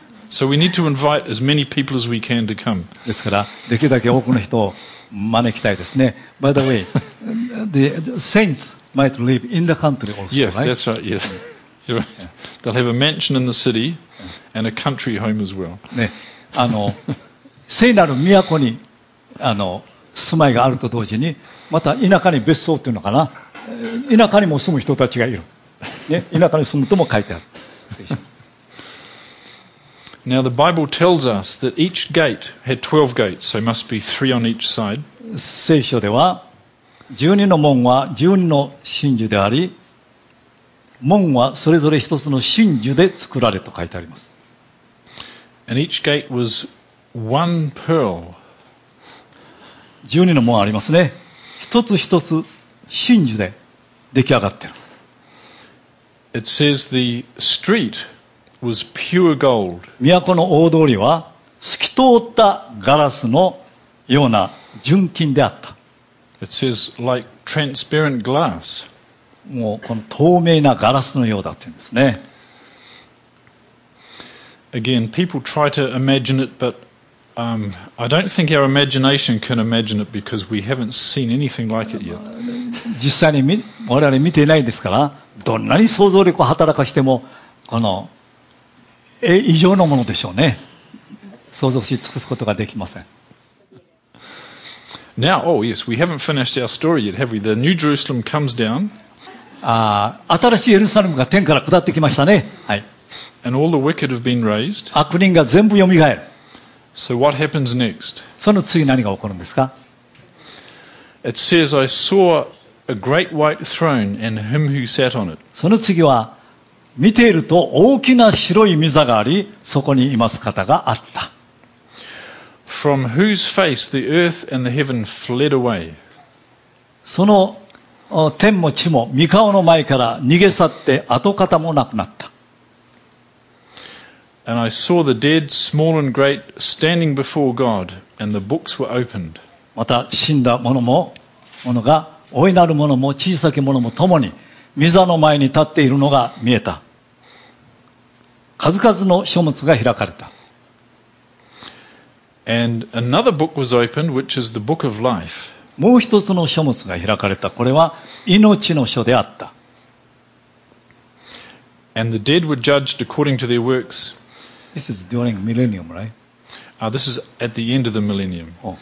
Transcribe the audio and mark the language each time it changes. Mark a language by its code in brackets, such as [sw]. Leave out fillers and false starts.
[en] So we need to invite as many people as we can to come. [ja] ですからできるだけ多くの人を招きたいですね。 [en] By the way, the saints might live in the country also, yes, right? Yes, that's right. Yes. You're right. They'll have a mansion in the city and a country home as well. [ja] ね、聖なる都に住まいがあると同時に、また田舎に別荘っていうのかな、田舎にも住む人たちがいる。ね、田舎に住むとも書いてある。 [en] Now the Bible tells us that each gate had 12 gates, so it must be three on each side. [ja] 聖書では12の門は12の真珠であり、門はそれぞれ一つの真珠で作られと書いてあります。 [en] And each gate was one pearl. [ja] 12の門ありますね。一つ一つ真珠で出来上がってる。 [en] It says the street was pure gold. [ja] 都の大通りは透き通ったガラスのような純金であった。 [en] It says like transparent glass. [ja] もうこの透明なガラスのようだって言うんですね。 [en] Again, people try to imagine it, but、I don't think our imagination can imagine it because we haven't seen anything like it yet. [ja] 実際に我々見ていないですから、どんなに想像力を働かしてもこの異常のものでしょうね。想像し尽くすことができません。 [en] Now, oh yes, we haven't finished our story yet, have we? The New Jerusalem comes down. [ja] 新しいエルサレムが天から下ってきましたね、はい、 [en] And all the wicked have been raised. [ja] 悪人が全部よみがえる。 [en] So what happens next? [ja] その次何が起こるんですか。 [en] It says I saw a great white throne and him who sat on it. [ja] その次は見ていると大きな白い御座がありそこにいます方があった。 [en] From whose face the earth and the heaven fled away. [ja] その天も地も御顔の前から逃げ去って跡形もなくなった。 [en] And I saw the dead, small and great, standing before God, and the books were opened. [ja] また死んだ者も、者が、大いなる者も、小さき者も共に、御座の前に立っているのが見えた。数々の書物が開かれた。 [en] And another book was opened, which is the book of life. [ja] もう一つの書物が開かれた。これは命の書であった。 [en] And the dead were judged according to their works. This is during millennium, right? This is at the end of the millennium.